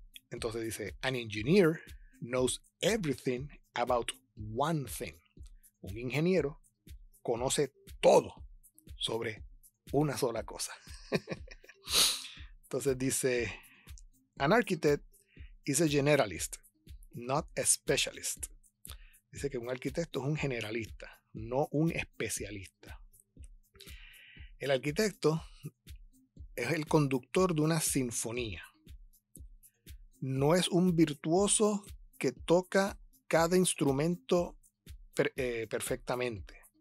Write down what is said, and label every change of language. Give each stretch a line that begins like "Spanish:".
Spanish: Entonces dice,
English: an engineer knows everything about one thing.
Spanish: Un ingeniero conoce todo sobre una sola cosa. Entonces dice,
English: an architect is a generalist, not a specialist.
Spanish: Dice que un arquitecto es un generalista, no un especialista. El arquitecto es el conductor de una sinfonía. No es un virtuoso que toca cada instrumento perfectamente.